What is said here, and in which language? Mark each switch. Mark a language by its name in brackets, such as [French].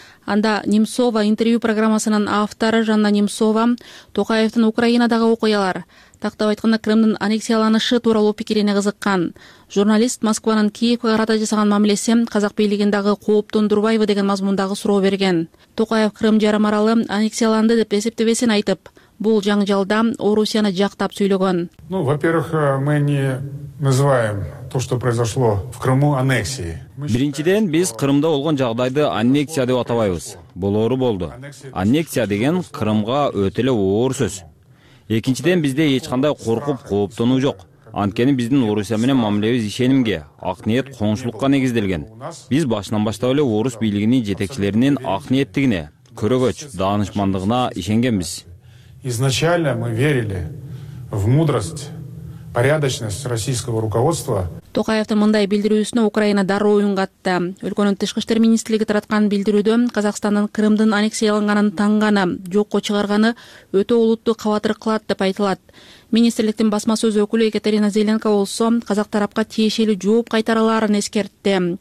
[Kyrgyz] Анда Немцова интервью программасынын автору Жанна Немцова Токаевдин Украинадагы окуялар, тактап айтканда Крымдын аннексияланышы тууралуу пикирине кызыккан. Журналист Москванын Киевге карата жасаган мамилеси казак бийлигин дагы кооптондурбайбы деген мазмундагы суроо берген. Токаев Крым жарым аралы аннексияланды деп эсептебесин айтып, бул жаңжалда Орусияны жактап сүйлөгөн. [Russian] Во-первых, мы не называем то, что произошло в Крыму, аннексии. [Kyrgyz] Биринчиден биз Кырымда болгон жагдайды аннексия деп атабайбыз. Бул оору болду. Аннексия деген Кырымга өтө эле оор сөз. Экинчиден бизде эч кандай коркуп кооптонуу жок. Анткени биздин Орусия менен мамилебиз ишенимге, ак ниет коңшулукка негизделген. Биз башынан баштап эле орус бийлигинин жетекчилеринин ак ниеттигине, көрөгөч, даанышмандыгына ишенгенбиз. [Russian] Изначально мы верили в мудрость, порядочность российского руководства. [Kyrgyz] Токаевдин мындай билдирүүсүнө Украина дароо үн катты. Өлкөнүн тышкы иштер министрлиги тараткан билдирүүдө Казакстандын Кырымдын аннексияланганын таңганы, жокко чыгарганы өтө олуттуу кабатыр кылат деп айтылат. Министрликтин басма сөз өкүлү Екатерина Зеленко болсо, казак тарапка тиешелүү жооп кайтарыларын эскертти.